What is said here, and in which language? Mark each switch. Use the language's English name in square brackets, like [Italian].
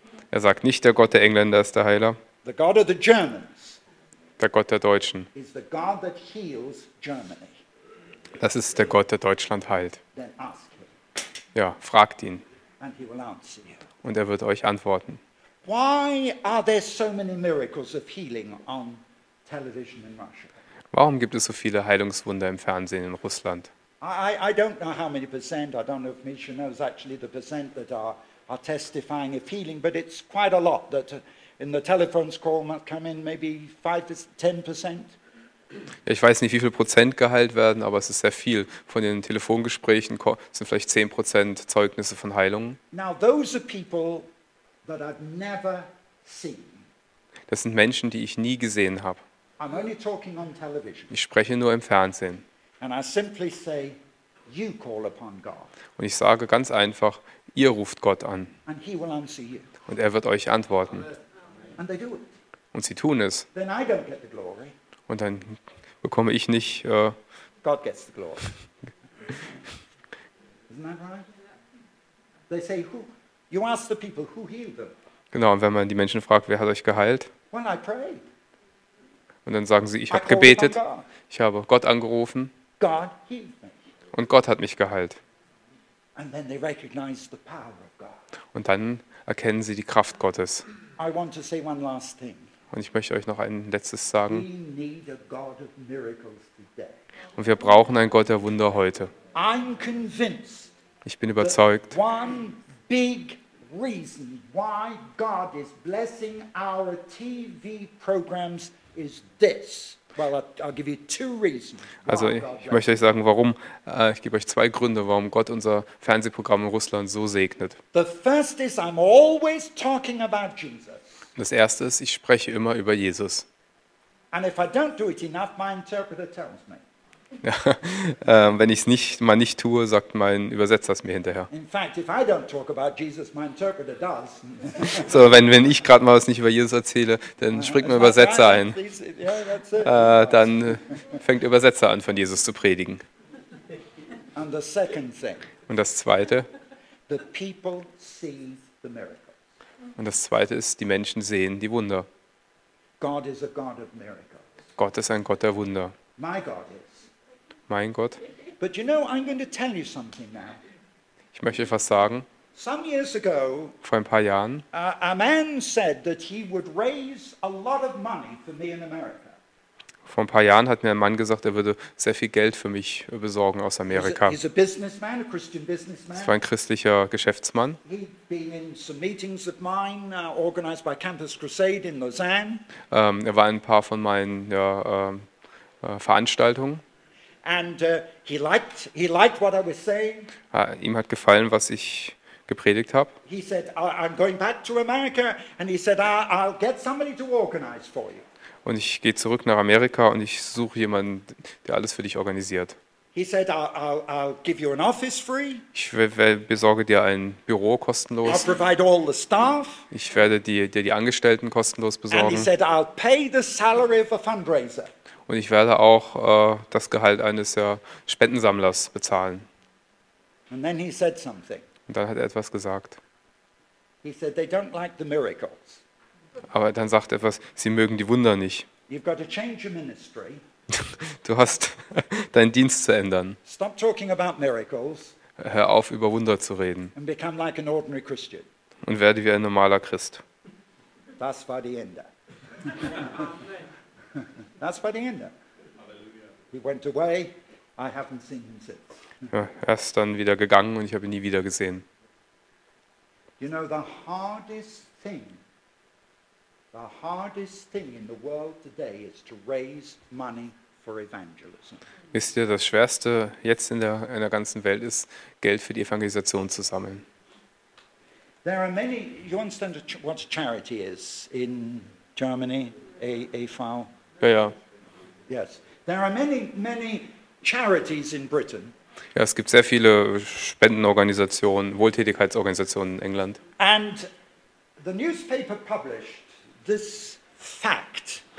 [German] Er sagt nicht, der Gott der Engländer ist der Heiler. Der Gott der Deutschen. Der Gott der Deutschen. [English] Is the God that heals Germany. [German] Das ist der Gott, der Deutschland heilt. Ja, fragt ihn. [English] And he will answer you. [German] Und er wird euch antworten. [English] Why are there so many miracles of healing on television in Russia? [German] Warum gibt es so viele Heilungswunder im Fernsehen in Russland? [English] I don't know how many percent, I don't know if Misha knows actually the percent that are testifying of healing, but it's quite a lot that... In the telephones call might come in maybe 5-10%. [German] Ja, ich weiß nicht, wie viel Prozent geheilt werden, aber es ist sehr viel. Von den Telefongesprächen sind vielleicht 10% Zeugnisse von Heilungen. [English] Now those are people that I've never seen. [German] Das sind Menschen, die ich nie gesehen habe. [English] I'm only talking on television. [German] Ich spreche nur im Fernsehen. [English] And I simply say, you call upon God. [German] Und ich sage ganz einfach, ihr ruft Gott an. [English] And he will answer you. [German] Und er wird euch antworten. [English] And they do it. [German] Und sie tun es. [English] Then I don't get the glory. [German] Und dann bekomme ich nicht... [English] God gets the glory. Isn't that right? They say, who? You ask the people, who healed them? [German] Genau, und wenn man die Menschen fragt, wer hat euch geheilt? [English] Well, I prayed. [German] Und dann sagen sie, ich habe gebetet. Ich habe Gott angerufen. [English] God healed me. [German] Und Gott hat mich geheilt. [English] And then they recognize the power of God. [German] Und dann erkennen sie die Kraft Gottes. [English] I want to say one last thing. [German] Und ich möchte euch noch ein letztes sagen. [English] We need a God of miracles today. [German] Und wir brauchen einen Gott der Wunder heute. [English] I'm convinced, [German] ich bin überzeugt, [English] that one big reason why God is blessing our TV programs is this. Well, I'll give you two reasons. [German] Also ich möchte euch sagen, warum. Ich gebe euch zwei Gründe, warum Gott unser Fernsehprogramm in Russland so segnet. [English] The first is I'm always talking about Jesus. [German] Das erste ist, ich spreche immer über Jesus. [English] And if I don't do it enough, my interpreter tells me. [German] Wenn ich es nicht tue, sagt mein Übersetzer es mir hinterher. [English] In fact, if I don't talk about Jesus, my interpreter does. [German] So, wenn ich gerade mal was nicht über Jesus erzähle, dann springt mein Übersetzer ein. Dann fängt der Übersetzer an, von Jesus zu predigen. [English] And the second thing, [German] und das Zweite. [English] The people see the miracles. [German] Und das Zweite ist, die Menschen sehen die Wunder. [English] God is a God of miracles. [German] Gott ist ein Gott der Wunder. [English] My God is. [German] Mein Gott. [English] But you know, I'm going to tell you something now. [German] Ich möchte euch was sagen. [English] Some years ago, [German] vor ein paar Jahren, [English] a man said that he would raise a lot of money for me in America. [German] Vor ein paar Jahren hat mir ein Mann gesagt, er würde sehr viel Geld für mich besorgen aus Amerika. [English] He's a businessman, a Christian businessman. [German] Es war ein christlicher Geschäftsmann. [English] He'd been in some meetings of mine, organized by Campus Crusade in Lausanne. [German] Er war in ein paar von meinen Veranstaltungen. [English] And he liked what I was saying. [German] Ihm hat gefallen, was ich gepredigt habe. [English] He said, I'm going back to America, and he said, I'll get somebody to organize for you. [German] Und ich gehe zurück nach Amerika und ich suche jemanden, der alles für dich organisiert. [English] He said, I'll give you an office free. [German] Ich besorge dir ein Büro kostenlos. [English] I'll provide all the staff. [German] Ich werde dir die Angestellten kostenlos besorgen. [English] And he said, I'll pay the salary of a fundraiser. [German] Und ich werde auch das Gehalt eines Spendensammlers bezahlen. [English] And then he said something. [German] Und dann hat er etwas gesagt. [English] He said, they don't like the miracles. [German] Aber dann sagt er etwas, sie mögen die Wunder nicht. [English] You've got to change your ministry. [German] Du hast deinen Dienst zu ändern. [English] Stop talking about miracles. [German] Hör auf, über Wunder zu reden. [English] And become like an ordinary Christian. [German] Und werde wie ein normaler Christ. Das war die Ende. [English] That's by the end. He went away. I haven't seen him since. [German] Ja, er ist dann wieder gegangen und ich habe ihn nie wieder gesehen. [English] You know, the hardest thing in the world today is to raise money for evangelism. [German] Wisst ihr, das Schwerste jetzt in der ganzen Welt ist, Geld für die Evangelisation zu sammeln. [English] There are many. You understand what charity is in Germany? AV. [German] Ja. [English] Yes. There are many, many charities in Britain. [German] Ja, es gibt sehr viele Spendenorganisationen, Wohltätigkeitsorganisationen in England. [English] And the newspaper published this fact.